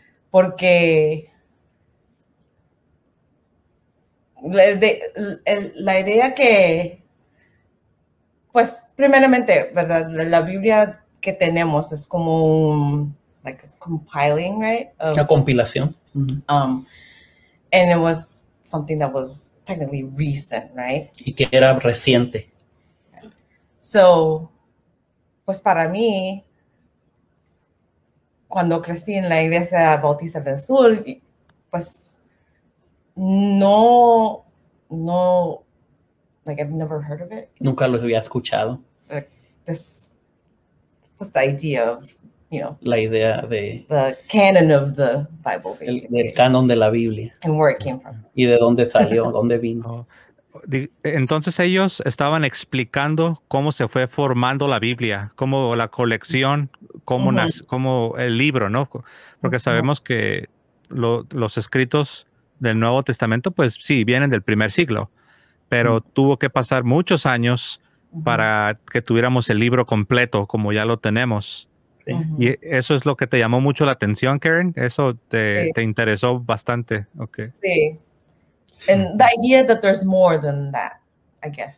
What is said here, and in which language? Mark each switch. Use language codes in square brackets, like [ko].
[es] Porque la idea que, pues, primeramente, ¿verdad? La Biblia que tenemos es como un, [en] like, a compiling, right? [es] Of, una compilación. [en] And it was something that was technically recent, right? [es] Y que era reciente. So, pues, para mí, cuando crecí en la Iglesia Bautista del Sur, pues, [en] No, like I've never heard of it. [es] Nunca los había escuchado. [en] Just the idea of, you know, [es] la idea de [en] the canon of the Bible, basically. [es] El canon de la Biblia. [en] And where it came from. [es] Y de dónde salió, dónde vino. Entonces ellos estaban explicando cómo se fue formando la Biblia, cómo la colección, cómo, cómo el libro, ¿no? Porque sabemos que los escritos del Nuevo Testamento, pues sí, vienen del primer siglo, pero tuvo que pasar muchos años para que tuviéramos el libro completo, como ya lo tenemos. Sí. Y eso es lo que te llamó mucho la atención, Karen. Eso te, te interesó bastante. Okay. Sí. [en] And the idea that there's more than that, I guess.